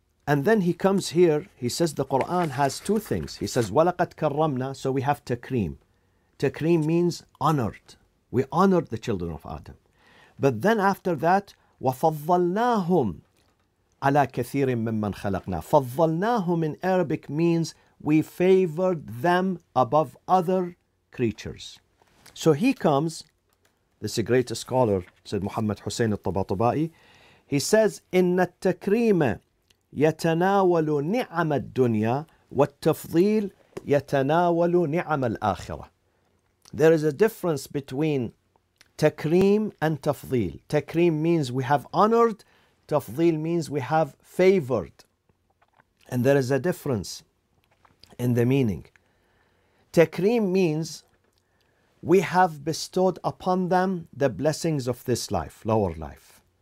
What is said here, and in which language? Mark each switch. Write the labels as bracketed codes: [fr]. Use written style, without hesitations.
[en] And then he comes here, he says the Quran has two things. He says, [ar] وَلَقَدْ كَرَّمْنَا, [en] so we have takreem. Takreem means honored. We honored the children of Adam. But then after that, [ar] وَفَضَّلْنَاهُمْ عَلَىٰ كَثِيرٍ مِّمَّنْ خَلَقْنَا. [en] فَضَّلْنَاهُمْ in Arabic means we favored them above other creatures. So he comes, this is a great scholar, said Muhammad Hussein al-Tabatabai. He says, [ar] إِنَّ التَّكْرِيمَ يَتَنَاوَلُ نِعَمَ الدُّنْيَا وَالتَّفْضِيلِ يَتَنَاوَلُ نِعَمَ الْآخِرَةِ. [en] There is a difference between takreem and tafdeel. Takreem means we have honored. Tafdeel means we have favored. And there is a difference in the meaning. Takreem means we have bestowed upon them the blessings of this life, lower life.